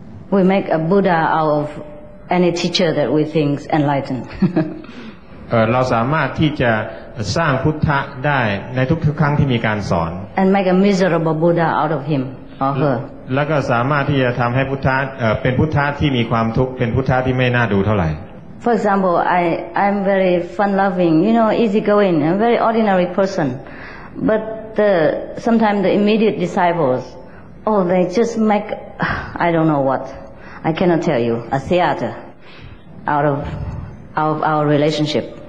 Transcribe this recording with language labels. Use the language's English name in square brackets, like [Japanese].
[English] We make a Buddha out of any teacher that we think is enlightened. [Thai] เราสามารถที่จะสร้างพุทธะได้ในทุกครั้งที่มีการสอน [English] and make a miserable Buddha out of him or her. [Thai] แล้วก็สามารถที่จะทำให้พุทธะเป็นพุทธะที่มีความทุกข์เป็นพุทธะที่ไม่น่าดูเท่าไหร่ [English] For example, I'm very fun loving, you know, easy going, a very ordinary person. But sometimes the immediate disciples, oh, they just make I don't know what. I cannot tell you. A theater out of our relationship.